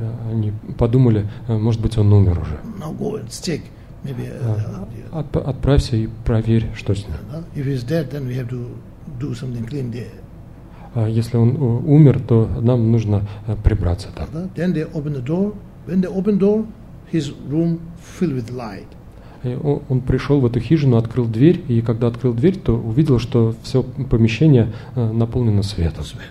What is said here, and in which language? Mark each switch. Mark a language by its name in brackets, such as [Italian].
[Russian] Они подумали, может быть, он умер уже. [English] Now go and check. Maybe, [Russian] Отправься и проверь, что с ним. [English] If he's dead, then we have to do something clean there. [Russian] Если он умер, то нам нужно прибраться там. [English] Then they open the door. When they open the door, his room filled with light. [Russian] Он пришел в эту хижину, открыл дверь, и когда открыл дверь, то увидел, что все помещение наполнено светом.